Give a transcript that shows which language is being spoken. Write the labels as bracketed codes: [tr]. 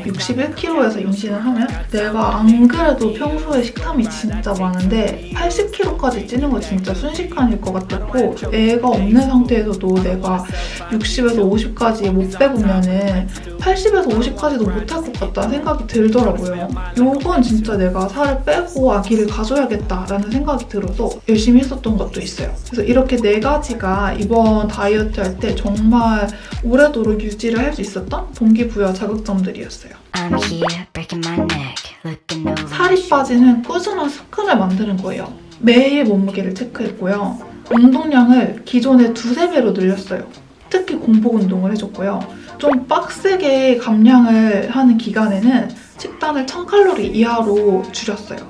[ko] 61kg에서 임신을 하면 내가 안 그래도 평소에 식탐이 진짜 많은데 80kg까지 찌는 거 진짜 순식간일 것 같았고 애가 없는 상태에서도 내가 60에서 50까지 못 빼보면은 80에서 50까지도 못할 것 같다는 생각이 들더라고요. 요건 진짜 내가 살을 빼고 아기를 가져야겠다라는 생각이 들어서 열심히 했었던 것도 있어요. 그래서 이렇게 네 가지가 이번 다이어트 할 때 정말 오래도록 유지를 할 수 있었던 동기부여 자극점들이었어요. [en] I'm here, breaking my neck, looking over. [ko] 살이 빠지는 꾸준한 습관을 만드는 거예요. 매일 몸무게를 체크했고요. 운동량을 기존의 두세 배로 늘렸어요. 특히 공복 운동을 해줬고요. 좀 빡세게 감량을 하는 기간에는 식단을 1000칼로리 이하로 줄였어요.